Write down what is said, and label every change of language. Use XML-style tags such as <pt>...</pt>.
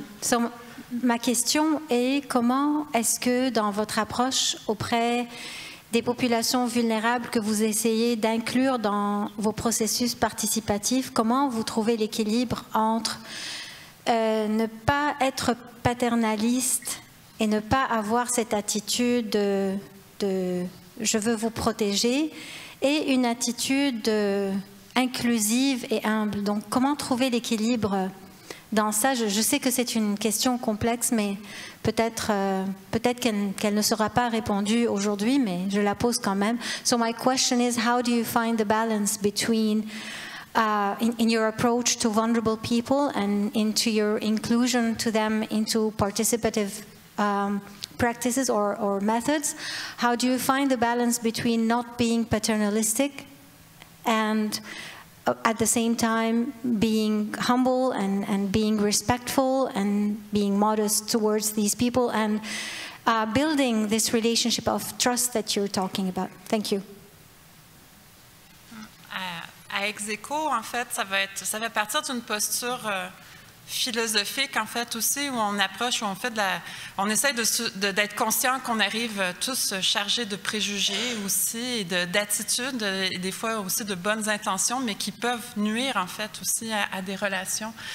<fr>So ma question est, comment est-ce que dans votre approche auprès des populations vulnérables que vous essayez d'inclure dans vos processus participatifs, comment vous trouvez l'équilibre entre ne pas être paternaliste et ne pas avoir cette attitude de je veux vous protéger et une attitude inclusive et humble. Donc comment trouver l'équilibre dans ça? Je sais que c'est une question complexe, mais peut-être qu'elle ne sera pas répondue aujourd'hui, mais je la pose quand même.</fr> <en>So my question is, how do you find the balance between in your approach to vulnerable people and into your inclusion to them into participative practices or methods? How do you find the balance between not being paternalistic and at the same time being humble and being respectful and being modest towards these people and building this relationship of trust that you're talking about? Thank you.</en> <fr>À ex aequo, en fait, ça va partir d'une posture philosophique, en fait, aussi, où on approche, où on fait d'être conscient qu'on arrive tous chargés de préjugés aussi, et d'attitudes, et des fois aussi de bonnes intentions, mais qui peuvent nuire, en fait, aussi à des relations.</fr>